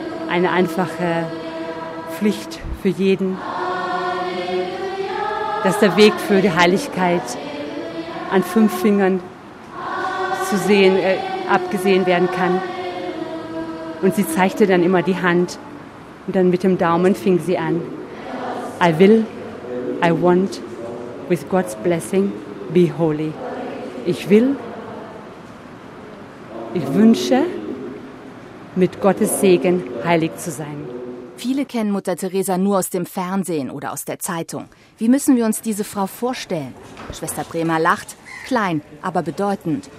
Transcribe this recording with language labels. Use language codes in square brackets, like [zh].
[de] eine einfache Pflicht für jeden, dass der Weg für die Heiligkeit an 5 Fingern zu sehen, abgesehen werden kann. Und sie zeigte dann immer die Hand und dann mit dem Daumen fing sie an. [en] I will, I want, with God's blessing, be holy. [de] Ich will, ich wünsche, mit Gottes Segen heilig zu sein. Viele kennen Mutter Teresa nur aus dem Fernsehen oder aus der Zeitung. Wie müssen wir uns diese Frau vorstellen? Schwester Bremer lacht, klein, aber bedeutend.